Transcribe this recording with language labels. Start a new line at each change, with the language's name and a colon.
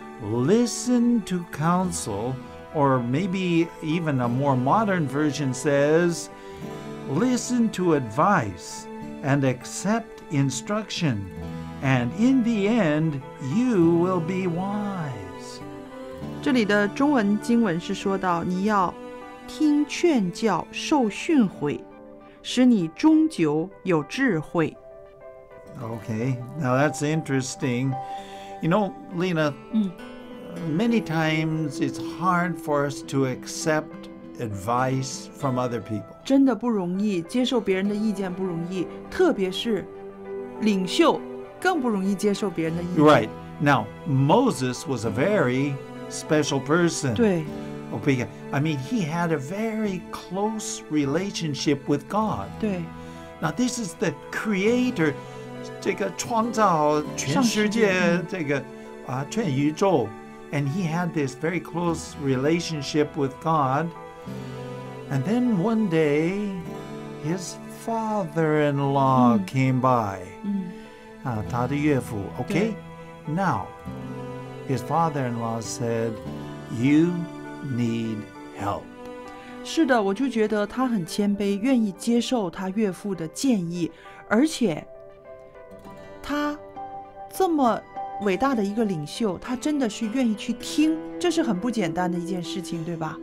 English: Listen to counsel, or maybe even a more modern version says,Listen to advice and accept instruction, and in the end, you will be wise.
Chinese: 这里的中文经文是说到，你要听劝教，受训诲，使你终究有智慧。
English: Okay, now that's interesting. You know, Lena, many times it's hard for us to accept. Advice from other people.
Chinese: 真的不容易，接受别人的意见不容易，特别是领袖更不容易接受别人的意见。
English: Right. Now, Moses was a very special person.
Chinese: 对。
English: Okay. I mean, he had a very close relationship with God.
Chinese: 对。
English: Now, this is the creator,
Chinese: 这个创造全世界，这个全宇宙。
English: And he had this very close relationship with God. And then one day, his father-in-law came by.
Chinese: 他的岳父,
English: okay? Now, his father-in-law said, you need help.
Chinese: 是的,我就觉得他很谦卑,愿意接受他岳父的建议。而且,他这么伟大的一个领袖,他真的是愿意去听,这是很不简单的一件事情,对吧?